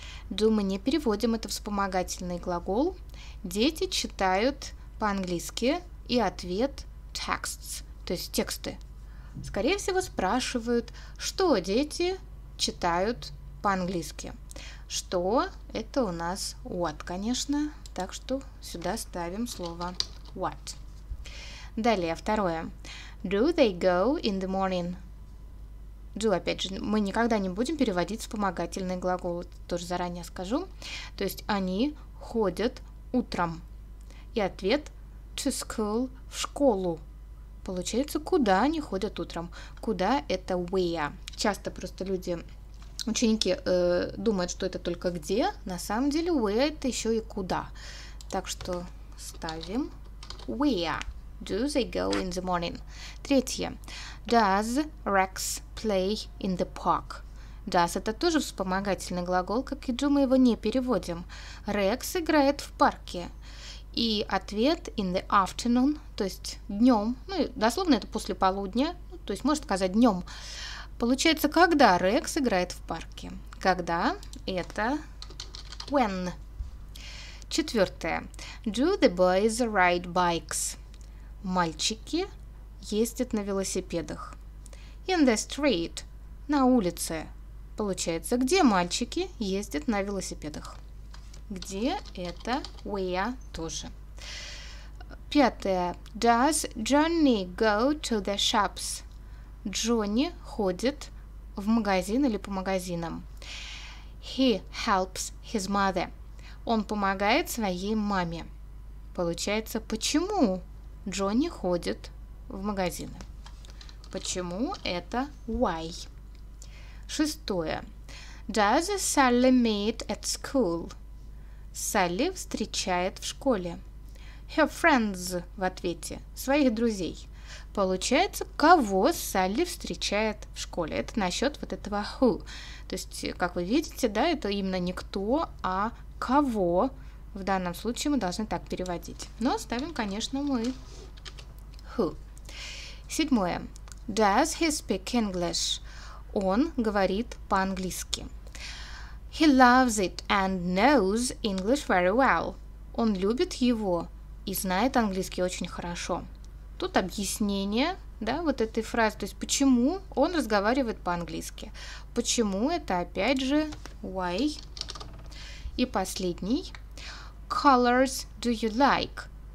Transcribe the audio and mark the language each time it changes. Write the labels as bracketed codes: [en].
[ru] Do мы не переводим, это вспомогательный глагол. Дети читают по-английски, и ответ texts, то есть тексты. Скорее всего, спрашивают, что дети читают по-английски. Что это у нас what, конечно. Так что сюда ставим слово what. Далее, второе. [en] Do they go in the morning? [ru] Do, опять же, мы никогда не будем переводить вспомогательный глагол, тоже заранее скажу. То есть они ходят утром. И ответ [en] to school, [ru] в школу. Получается, куда они ходят утром? Куда это where? Часто просто люди, ученики думают, что это только где. На самом деле where это еще и куда. Так что ставим where. [en] Do they go in the morning? [ru] Третье. [en] Does Rex play in the park? [ru] Does – это тоже вспомогательный глагол, как и do, мы его не переводим. Rex играет в парке. И ответ [en] in the afternoon, [ru] то есть днем. Ну, дословно это после полудня, то есть может сказать днем. Получается, когда Rex играет в парке? Когда – это when. Четвертое. [en] Do the boys ride bikes? [ru] Мальчики ездят на велосипедах. [en] In the street [ru] – на улице. Получается, где мальчики ездят на велосипедах? Где это where тоже. Пятое. [en] Does Johnny go to the shops? [ru] Джонни ходит в магазин или по магазинам. [en] He helps his mother. [ru] Он помогает своей маме. Получается, почему Джонни ходит в магазины? Почему это why? Шестое. [en] Does Sally meet at school? [ru] Салли встречает в школе. [en] Her friends [ru] в ответе. Своих друзей. Получается, кого Салли встречает в школе? Это насчет вот этого who. То есть, как вы видите, да, это именно не кто, а кого в данном случае мы должны так переводить. Но ставим, конечно, мы who. Седьмое. [en] Does he speak English? [ru] Он говорит по-английски. [en] He loves it and knows English very well. [ru] Он любит его и знает английский очень хорошо. Тут объяснение, да, вот этой фразы, то есть почему он разговаривает по-английски. Почему это опять же why? [en] И последний. Colors do you like?